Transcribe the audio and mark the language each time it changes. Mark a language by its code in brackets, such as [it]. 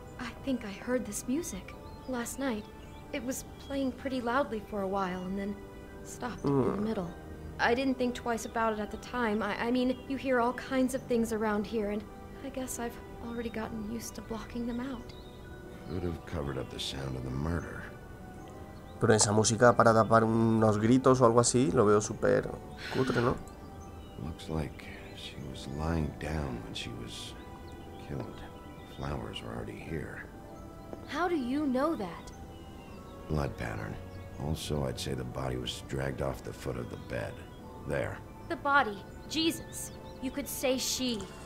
[en] I think I heard this music last night. It was playing pretty loudly for a while and then stopped in the middle. I didn't think twice about it at the time. I mean, you hear all kinds of things around here, and I guess I've already gotten used to blocking them out. Could have covered up the sound of the murder. [es] Pero esa música para tapar unos gritos o algo así, lo veo súper cutre, ¿no? [en] Looks like she was lying down when she was killed. Flowers are already here. How do you know that? Blood pattern. Also, I'd say the body was dragged off the foot of the bed. There. The body. Jesus. You could say she.